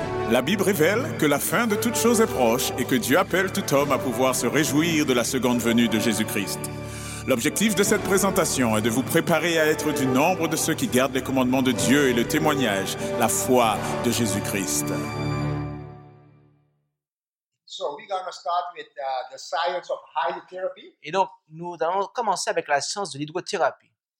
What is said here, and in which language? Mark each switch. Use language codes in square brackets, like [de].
[fr] La Bible révèle que la fin de toutes choses est proche et que Dieu appelle tout homme à pouvoir se réjouir de la seconde venue de Jésus-Christ. L'objectif de cette présentation est de vous préparer à être du nombre de ceux qui gardent les commandements de Dieu et le témoignage, la foi de Jésus-Christ. [en] So we're going to start with the science of hydrotherapy. [fr] Et donc, nous allons commencer avec la science de l'hydrothérapie.